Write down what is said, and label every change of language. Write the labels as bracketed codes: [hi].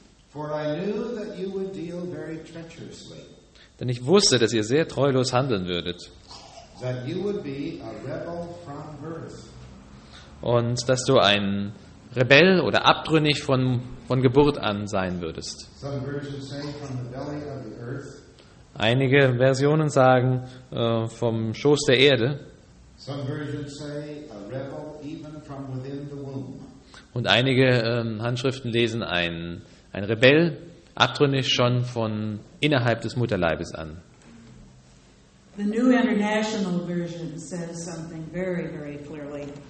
[en] For I knew that you would deal very treacherously. [de] Denn ich wusste, dass ihr sehr treulos handeln würdet. [en] That you would be a rebel from birth. [de] Und dass du ein Rebell oder abtrünnig von Geburt an sein würdest. [en] Some versions say from the belly of the earth. [de] Einige Versionen sagen vom Schoß der Erde. [en] Some versions say a rebel even from within the womb. [de] Und einige Handschriften lesen ein Rebell, abtrünnig schon von innerhalb des Mutterleibes an. [en] The New International Version says something very, very clearly.